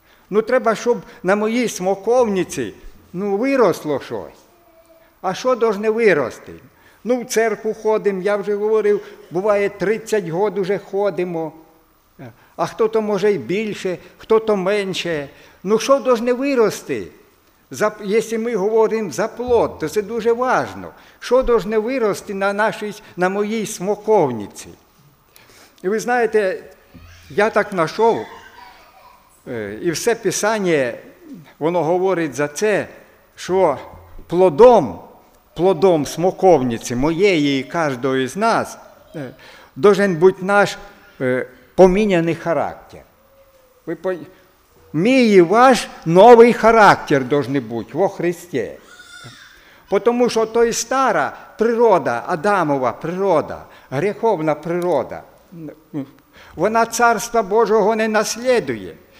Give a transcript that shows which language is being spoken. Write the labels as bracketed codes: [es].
[uk] Ну, треба, щоб на моїй смоковниці ну, виросло щось. А що должно вирости? Ну, в церкву ходимо, я вже говорив, буває 30 років вже ходимо. А хто-то може й більше, хто-то менше. Ну, що должно вирости? [ru] Если мы говорим за плод, то это очень важно. Что должно вырасти на нашей, на моей смоковнице? И вы знаете, я так нашел, и все Писание, оно говорит за это, что плодом смоковницы, моей и каждого из нас, должен быть наш поміняний характер. [uk] Мій і ваш новий характер должен бути во Христі. Тому що то і стара природа, Адамова природа, греховна природа, вона Царства Божого не наслідує.